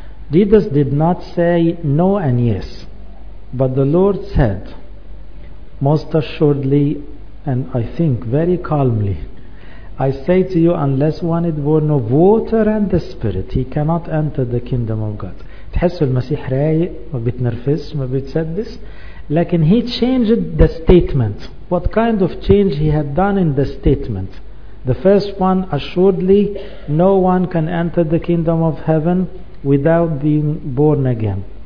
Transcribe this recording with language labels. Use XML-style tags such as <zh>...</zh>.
<en>Jesus did not say no and yes, but the Lord said, most assuredly, and I think very calmly, I say to you, unless one is born of water and the Spirit, he cannot enter the kingdom of God.</en> <ar>تحس المسيح رايق، ما بيتنرفز، ما بيتسدس.</ar> <en>لكن he changed the statement. What kind of change he had done in the statement? The first one, assuredly, no one can enter the kingdom of heaven without being born again.</en>